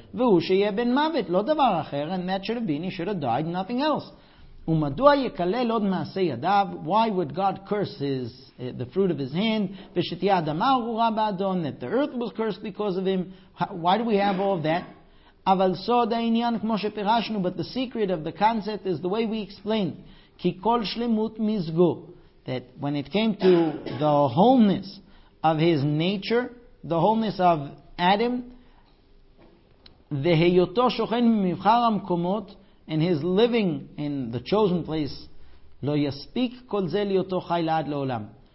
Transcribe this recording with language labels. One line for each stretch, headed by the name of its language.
English: And that should have been, he should have died, nothing else.
Hebrew: ומדוע יקלל עוד מעשה ידיו?
English: Why would God curse the fruit of his hand?
Hebrew: ושתהיה אדמה ארורה באדון,
English: that the earth was cursed because of him. Why do we have all of that?
Hebrew: אבל סוד העניין כמו שפירשנו,
English: but the secret of the concept is the way we explain.
Hebrew: כי כל שלמות מזגו,
English: that when it came to the wholeness of his nature, the wholeness of Adam,
Hebrew: והיותו שוכן ממבחר המקומות,
English: and his living in the chosen place,
Hebrew: lo yaspik kol ze liyoto chay l'ad l'olam.